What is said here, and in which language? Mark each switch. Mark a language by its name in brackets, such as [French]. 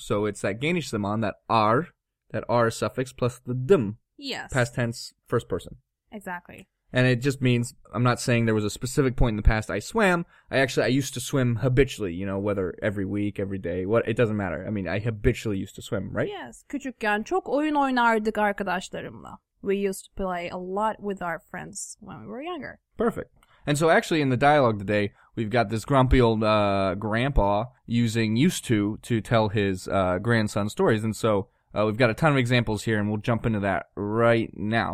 [English] So it's that Geniş Zaman, that R suffix plus the dim. Yes. Past tense, first person. Exactly. And it just means, I'm not saying there was a specific point in the past I swam. I used to swim habitually, you know, whether every week, every day, what, it doesn't matter. I mean, I habitually used to swim, right? Yes. [Turkish] Küçükken çok oyun oynardık arkadaşlarımla. [English] We used to play a lot with our friends when we were younger. Perfect. And so actually in the dialogue today, we've got this grumpy old grandpa using used to tell his grandson stories. And so we've got a ton of examples here, and we'll jump into that right now.